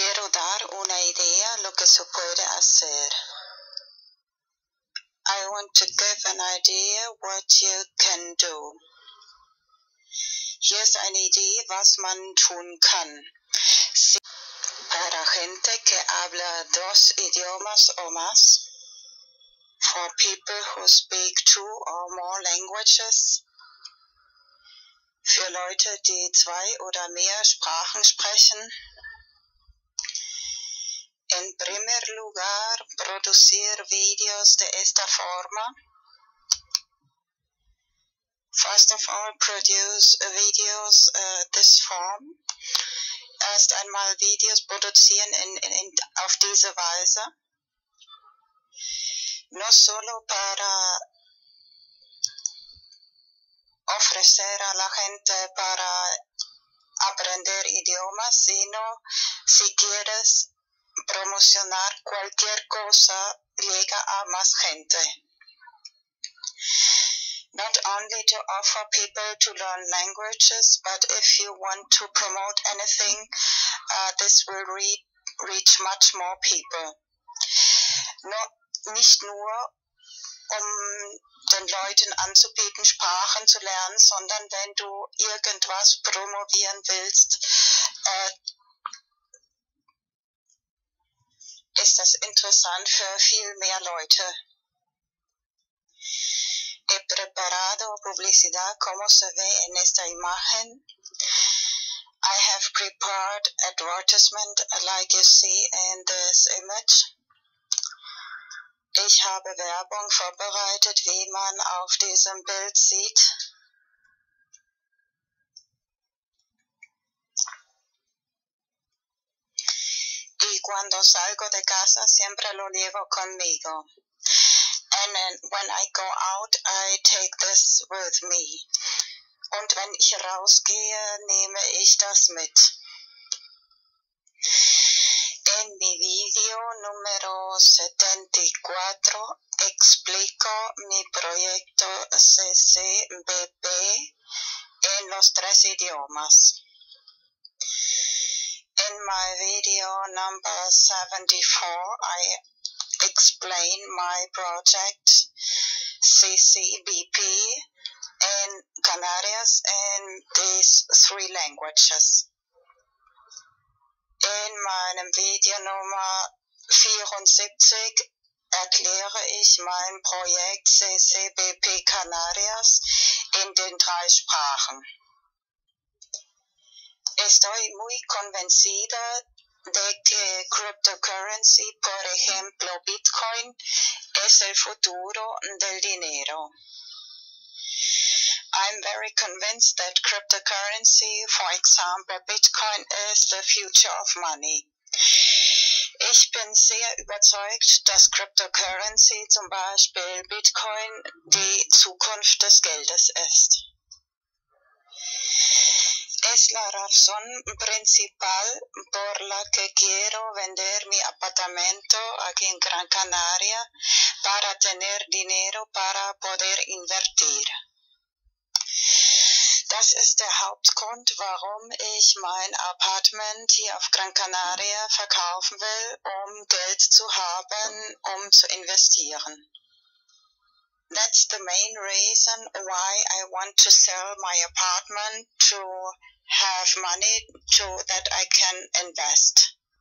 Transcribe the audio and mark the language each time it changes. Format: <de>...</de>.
<es>Dar una idea lo que se puede hacer.</es> <en>I want to give an idea what you can do.</en> <de>Hier ist eine Idee, was man tun kann.</de> <es>Si para gente que habla dos idiomas o más,</es> <en>for people who speak two or more languages,</en> <de>für Leute, die zwei oder mehr Sprachen sprechen,</de> <es>en primer lugar, producir videos de esta forma.</es> <en>First of all, produce videos this form.</en> <de>Erst einmal Videos produzieren in auf diese Weise.</de> <es>No solo para ofrecer a la gente para aprender idiomas, sino si quieres promocionar cualquier cosa llega a más gente.</es> <en>Not only to offer people to learn languages, but if you want to promote anything, this will reach much more people.</en> <de>Nicht nur, um den Leuten anzubieten, Sprachen zu lernen, sondern wenn du irgendwas promovieren willst, ist das interessant für viel mehr Leute.</de> <es>He preparado publicidad como se ve en esta imagen.</es> <en>I have prepared advertisement like you see in this image.</en> <de>Ich habe Werbung vorbereitet, wie man auf diesem Bild sieht.</de> <es>Cuando salgo de casa, siempre lo llevo conmigo.</es> <en>And then when I go out, I take this with me.</en> <de>Und wenn ich rausgehe, nehme ich das mit.</de> <es>En mi video número 74, explico mi proyecto CCBP en los tres idiomas.</es> <en>In my video number 74, I explain my project CCBP in Canarias in these three languages.</en> <de>In meinem Video Nummer 74 erkläre ich mein Projekt CCBP Canarias in den drei Sprachen.</de> <es>Estoy muy convencida de que cryptocurrency, por ejemplo Bitcoin, es el futuro del dinero.</es> <en>I'm very convinced that cryptocurrency, for example Bitcoin, is the future of money.</en> <de>Ich bin sehr überzeugt, dass cryptocurrency, zum Beispiel Bitcoin, die Zukunft des Geldes ist.</de> <es>Es la razón principal por la que quiero vender mi apartamento aquí en Gran Canaria para tener dinero para poder invertir.</es> <de>Das ist der Hauptgrund, warum ich mein Apartment hier auf Gran Canaria verkaufen will, um Geld zu haben, um zu investieren.</de> <en>That's the main reason why I want to sell my apartment to have money to that I can invest.</en>